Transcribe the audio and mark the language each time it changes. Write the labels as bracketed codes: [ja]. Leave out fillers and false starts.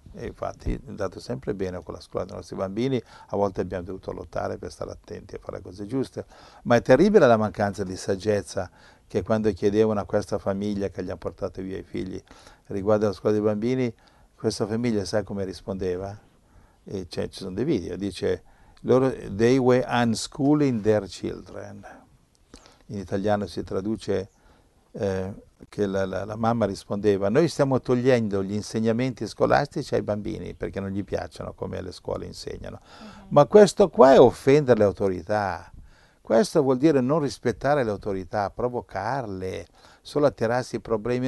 [it] E infatti è andato sempre bene con la scuola dei nostri bambini, a volte abbiamo dovuto lottare per stare attenti a fare le cose giuste. Ma è terribile la mancanza di saggezza che quando chiedevano a questa famiglia che gli ha portato via i figli riguardo alla scuola dei bambini, questa famiglia sai come rispondeva? E cioè, ci sono dei video, dice, [en] they were unschooling their children. [it] In italiano si traduce che la mamma rispondeva, noi stiamo togliendo gli insegnamenti scolastici ai bambini perché non gli piacciono come le scuole insegnano. Mm-hmm. Ma questo qua è offendere le autorità. Questo vuol dire non rispettare le autorità, provocarle, solo attirarsi i problemi.